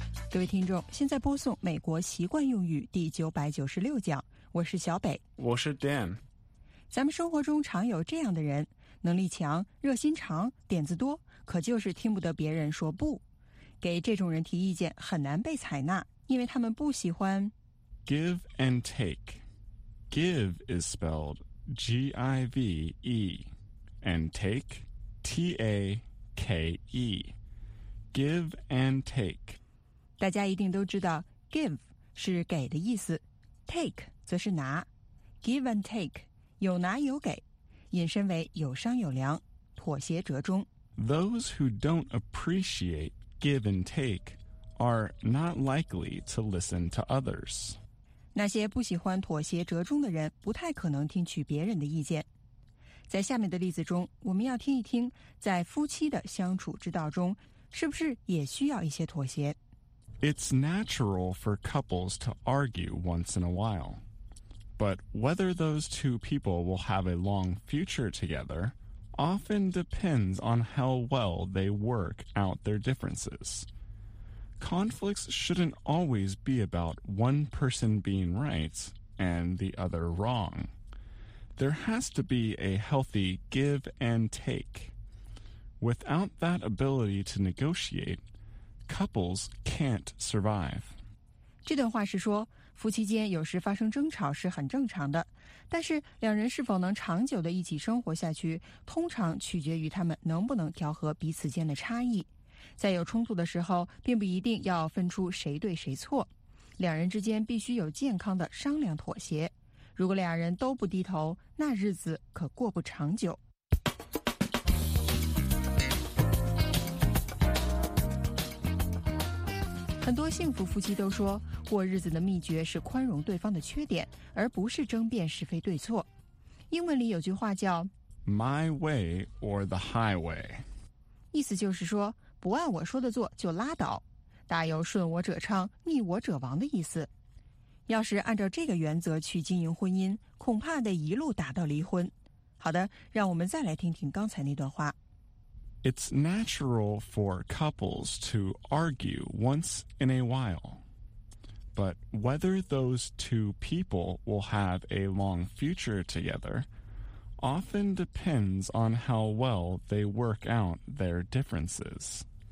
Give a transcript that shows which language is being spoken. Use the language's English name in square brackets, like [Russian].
[Chinese] 各位听众现在播送美国习惯用语第996讲我是小北我是 Dan 咱们生活中常有这样的人能力强热心肠点子多可就是听不得别人说不给这种人提意见很难被采纳因为他们不喜欢 [English] Give and take Give is spelled G-I-V-EAnd take, T-A-K-E. Give and take. [Chinese] 大家一定都知道 give 是给的意思 take 则是拿 [English] Give and take, [Chinese] 有拿有给引申为有商有量妥协折中 [English] Those who don't appreciate give and take are not likely to listen to others. [Chinese] 那些不喜欢妥协折中的人不太可能听取别人的意见在下面的例子中我们要听一听在夫妻的相处之道中是不是也需要一些妥协 [English] It's natural for couples to argue once in a while. But whether those two people will have a long future together often depends on how well they work out their differences. Conflicts shouldn't always be about one person being right and the other wrong. There has to be a healthy give and take. Without that ability to negotiate, couples can't survive. [Chinese] 这段话是说，夫妻间有时发生争吵是很正常的，但是两人是否能长久的一起生活下去，通常取决于他们能不能调和彼此间的差异。在有冲突的时候，并不一定要分出谁对谁错，两人之间必须有健康的商量妥协。如果两人都不低头，那日子可过不长久。很多幸福夫妻都说，过日子的秘诀是宽容对方的缺点，而不是争辩是非对错。英文里有句话叫 [English] My way or the highway， [Chinese] 意思就是说不按我说的做就拉倒，大有顺我者昌逆我者亡的意思。要是按照这个原则去经营婚姻，恐怕得一路打到离婚。好的，让我们再来听听刚才那段话。 [English] It's natural for couples to argue once in a while. But whether those two people will have a long future together often depends on how well they work out their differences.